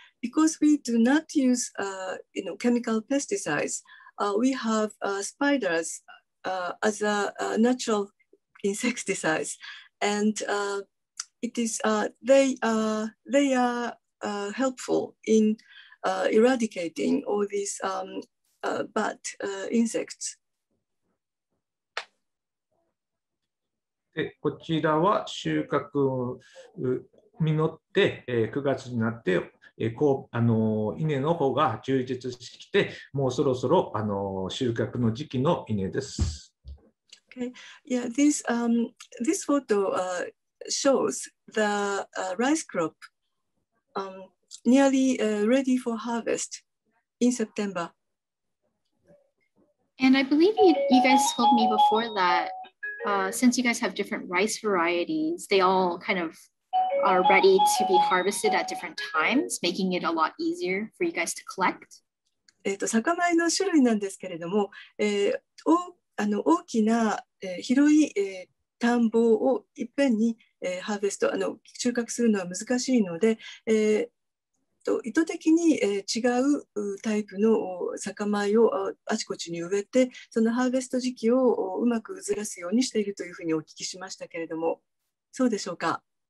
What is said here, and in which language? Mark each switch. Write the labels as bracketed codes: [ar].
[en] Because we do not use chemical pesticides, we have spiders as a natural insecticides and It is they are helpful in eradicating all these bad insects. [ja] でこちらは収穫実って9月になってこう稲の方が充実してきてもうそろそろ収穫の時期の稲です。 [en] Okay. Yeah. This photo shows the rice crop nearly ready for harvest in September. And I believe you guys told me before that since you guys have different rice varieties, they all kind of are ready to be harvested at different times, making it a lot easier for you guys to collect. [ja] 酒米の種類なんですけれども、大きな、広い、田んぼをいっぺんにハーベスト収穫するのは難しいので、意図的に違うタイプの酒米をあちこちに植えてそのハーベスト時期をうまくずらすようにしているというふうにお聞きしましたけれどもそうでしょうか、